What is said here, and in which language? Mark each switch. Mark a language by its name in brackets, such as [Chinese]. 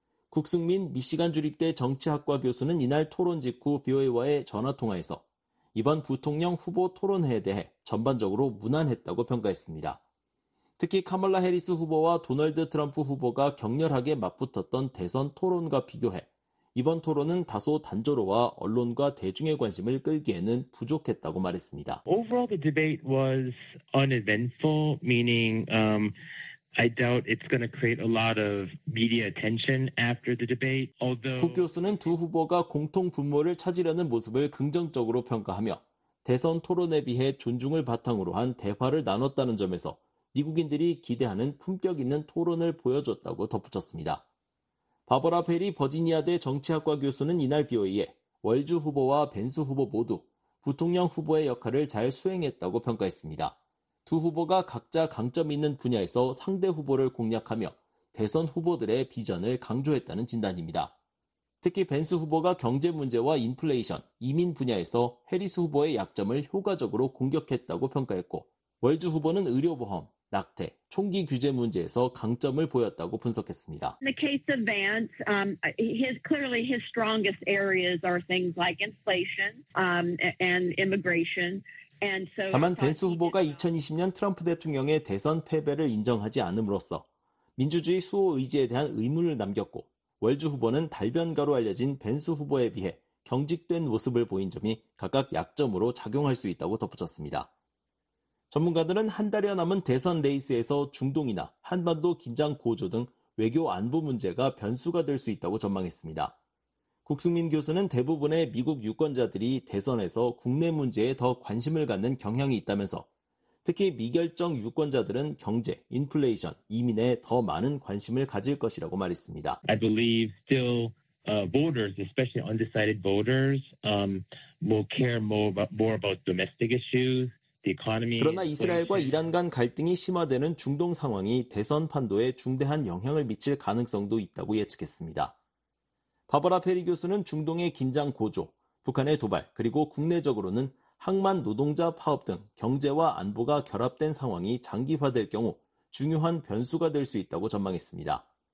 [Korean] 국승민 미시간 주립대 정치학과 교수는 이날 토론 직후 BOA와의 전화통화에서 이번 부통령 후보 토론회에 대해 전반적으로 무난했다고 평가했습니다. 특히 카멀라 해리스 후보와 도널드 트럼프 후보가 격렬하게 맞붙었던 대선 토론과 비교해 이번 토론은 다소 단조로워 언론과 대중의 관심을 끌기에는 부족했다고 말했습니다. [English] Overall, the debate was uneventful, meaning I doubt it's going to create a lot of media attention after the debate. Although [Korean] 국 교수는 두 후보가 공통 분모를 찾으려는 모습을 긍정적으로 평가하며 대선 토론에 비해 존중을 바탕으로 한 대화를 나눴다는 점에서 미국인들이 기대하는 품격 있는 토론을 보여줬다고 덧붙였습니다. 바버라 페리 버지니아대 정치학과 교수는 이날 BOA에 월즈 후보와 벤스 후보 모두 부통령 후보의 역할을 잘 수행했다고 평가했습니다. 두 후보가 각자 강점 있는 분야에서 상대 후보를 공략하며 대선 후보들의 비전을 강조했다는 진단입니다. 특히 벤스 후보가 경제 문제와 인플레이션, 이민 분야에서 해리스 후보의 약점을 효과적으로 공격했다고 평가했고 월즈 후보는 의료보험, 낙태, 총기 규제 문제에서 강점을 보였다고 분석했습니다. [English] In the case of Vance, his strongest areas are things like inflation and immigration. And so [Korean] 다만 벤스 후보가 2020년 트럼프 대통령의 대선 패배를 인정하지 않음으로써 민주주의 수호 의지에 대한 의문을 남겼고 월즈 후보는 달변가로 알려진 벤스 후보에 비해 경직된 모습을 보인 점이 각각 약점으로 작용할 수 있다고 덧붙였습니다. 전문가들은 한 달여 남은 대선 레이스에서 중동이나 한반도 긴장 고조 등 외교 안보 문제가 변수가 될 수 있다고 전망했습니다. 국승민 교수는 대부분의 미국 유권자들이 대선에서 국내 문제에 더 관심을 갖는 경향이 있다면서 특히 미결정 유권자들은 경제, 인플레이션, 이민에 더 많은 관심을 가질 것이라고 말했습니다. [English] I believe still voters, especially undecided voters, will care more about domestic issues. [Korean] 그러나 이스라엘과 이란 간 갈등이 심화되는 중동 상황이 대선 판도에 중대한 영향을 미칠 가능성도 있다고 예측했습니다. 바바라 페리 교수는 중동의 긴장 고조, 북한의 도발, 그리고 국내적으로는 항만 노동자 파업 등 경제와 안보가 결합된 상황이 장기화될 경우 중요한 변수가 될 수 있다고 전망했습니다.